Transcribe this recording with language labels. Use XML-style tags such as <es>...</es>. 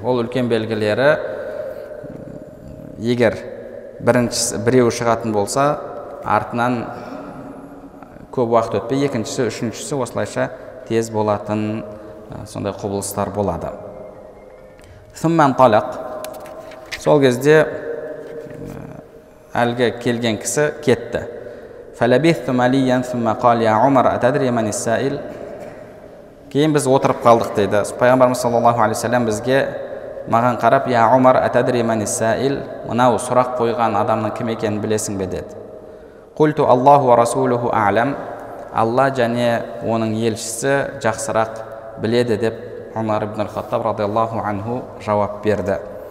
<kk>Ол үлкен белгілері, егер біреуі шығатын болса, артынан көп уақыт өтпей, екіншісі, үшіншісі осылайша тез болатын сондай құбылыстар болады. Сүммен талақ. Сол кезде әлгі келген кісі кетті.</kk> <ar>فَلَبِثْتُ مَلِيًّا ثُمَّ قَالْ يَا عُمَرَ أَتَدْرِي مَنِ السَّائِلِ</ar> <kk>Кейін біз отырып қалдық дейді. Пайғамбарымыз саллаллаху алейхи ва саллям бізге маған қарап,</kk> <ar>«Я Умар, атадри мәні сәйіл?»</ar> <kk>Мынау сұрақ қойған адамның кім екенін білесің бе деді.</kk> <ar>«Культу Аллаху ва Расулуху а'лам»</ar> <kk>Алла және оның елшісі жақсырақ біледі деп Умар ибн аль-Хаттаб радиаллаху анху жауап берді.</kk>